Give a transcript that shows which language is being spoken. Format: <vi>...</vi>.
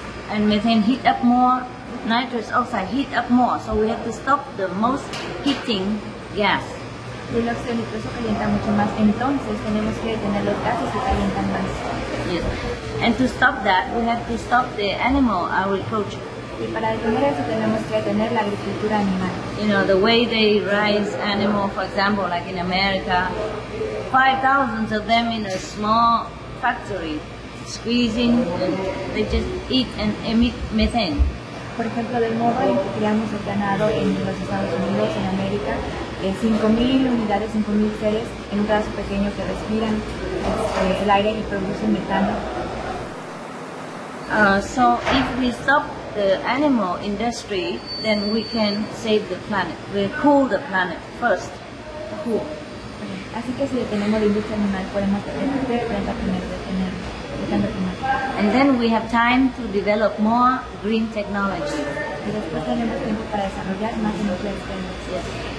<en>And methane heat up more, nitrous oxide heat up more, so we have to stop the most heating gas.</en> <es>El óxido nitroso calienta mucho más, entonces tenemos que detener los gases que calientan más.</es> <en>Yes, and to stop that, we have to stop the animal agriculture.</en> <es>Y para detener eso tenemos que detener la agricultura animal.</es> <en>You know, the way they raise animals, for example, like in America, 5,000 of them in a small factory, squeezing, and they just eat and emit methane.</en> <es>Por ejemplo, del modo en que criamos el ganado en los Estados Unidos, en América, 5,000 unidades, 5,000 seres, en un pedazo pequeño que respiran el aire y producen metano.</es> <en>So if we stop the animal industry, then we can save the planet. We'll cool the planet first. Cool.</en> <es>Así que si detenemos la industria animal, podemos detener el planeta primero.</es> <en>And then we have time to develop more green technology. Yes.</en>